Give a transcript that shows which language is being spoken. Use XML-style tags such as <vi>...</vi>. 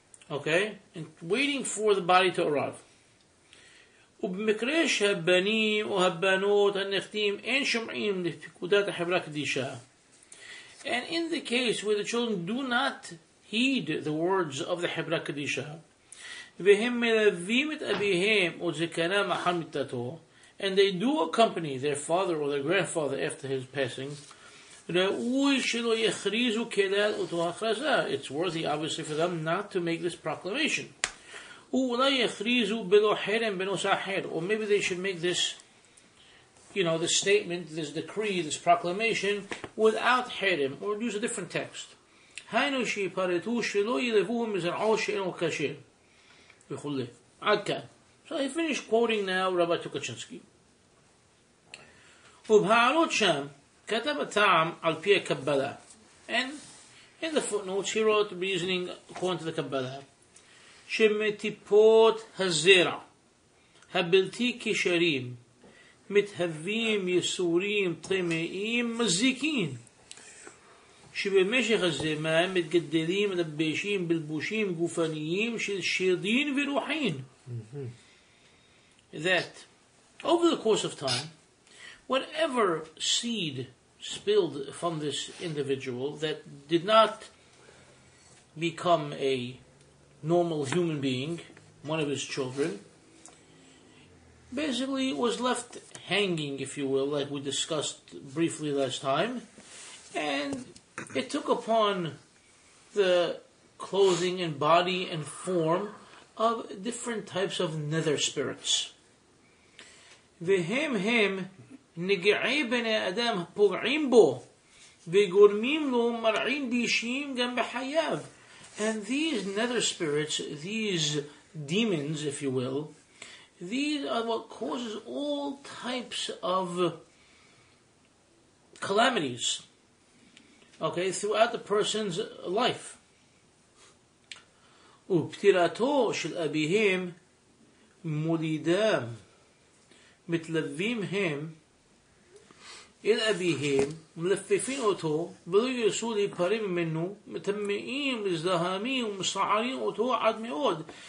<en>okay, and waiting for the body to arrive.</en> <he>ובמקרה שהבנים או הבנות הנכדים אין שומעים לפקודת החברה קדישה.</he> <en>And in the case where the children do not heed the words of the חברה קדישה,</en> <he>והם מלווים את אביהם או זקנם אחר מיטתו,</he> <en>and they do accompany their father or their grandfather after his passing,</en> <he>ראוי שלא יכריזו כלל אותו הכרזה.</he> <en>It's worthy, obviously, for them not to make this proclamation.</en> <he>ואולי יכריזו בלא חרם בנושא אחר.</he> <en>Or maybe they should make this, you know, this statement, this decree, this proclamation, without חרם, or use a different text.</en> <he>היינו שיפרטו שלא ילבוהם מזרעו שאינו כשר. וכולי. עד כאן.</he> <en>So I finish quoting now Rabbi Tukachinsky.</en> <he>ובהערות שם, כתב הטעם על פי הקבלה.</he> <en>And in the footnotes, he wrote reasoning according to the Kabbalah.</en> <he>שמטיפות הזרע, הבלתי כשרים, מתהווים יסורים, טמאים, מזיקים. שבמשך הזמן מתגדלים, מלבשים, בלבושים, גופניים של שרדין ורוחין.</he> <en>That over the course of time, whatever seed spilled from this individual that did not become a normal human being, one of his children, basically was left hanging, if you will, like we discussed briefly last time, and it took upon the clothing and body and form of different types of nether spirits.</en> <he>והם הם נגעי בני אדם פוגעים בו וגורמים לו מרעים בישים גם בחייו.</he> <en>And these nether spirits, these demons, if you will, these are what causes all types of calamities, okay, throughout the person's life.</en> <he>ופטירתו של אביהם מולידם מתלווים הם אל אביהם, מלפפים אותו, ולא ירסו להיפרים ממנו, מטמאים, מזדהמים, ומסערים אותו עד מאוד.</he>